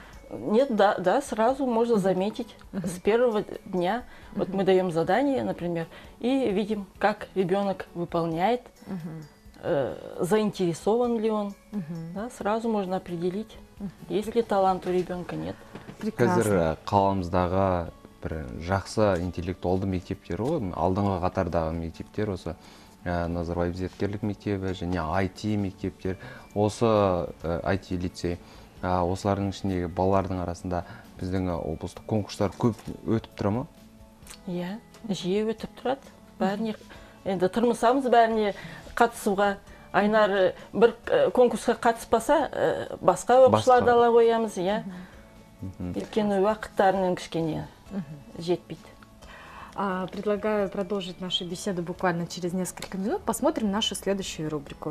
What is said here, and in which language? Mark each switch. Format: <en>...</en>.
<ru>Нет, да, да, сразу можно заметить с первого дня. Вот мы даем задание, например, и видим, как ребенок выполняет, заинтересован ли он. Да, сразу можно определить, есть ли талант у ребенка, нет.</ru> <kk>Қазір қаламыздағы бір жақсы интеллектуалды мектептер ол, алдыңғы қатардағы мектептер осы Назарбаев зияткерлік мектебі және IT мектептер, осы IT лицей, осылардың ішіндегі балалардың арасында біздің облыстық конкурстар көп өтіп тұра ма? Иә, жиі өтіп тұрады. Бәріне, енді тұрмысамыз бәріне қатысуға. Айнар бір конкурсқа қатыспаса, басқа оқушыларды ала қоямыз, иә. Өйткені уақыттарының кішкене жетпейді.</kk> <ru>Предлагаю продолжить нашу беседу буквально через несколько минут. Посмотрим нашу следующую рубрику.</ru>